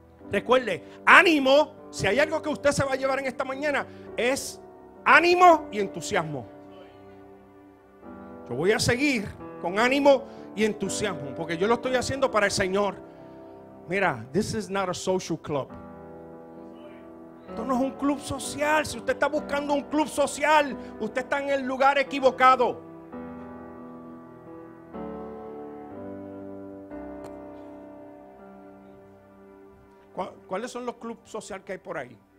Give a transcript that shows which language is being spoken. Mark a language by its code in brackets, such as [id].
[es] Recuerde, ánimo. Si hay algo que usted se va a llevar en esta mañana, es ánimo y entusiasmo. Yo voy a seguir con ánimo y entusiasmo, porque yo lo estoy haciendo para el Señor. [en] Mira, this is not a social club. [es] Esto no es un club social. Si usted está buscando un club social, usted está en el lugar equivocado. ¿Cuáles son los clubes sociales que hay por ahí?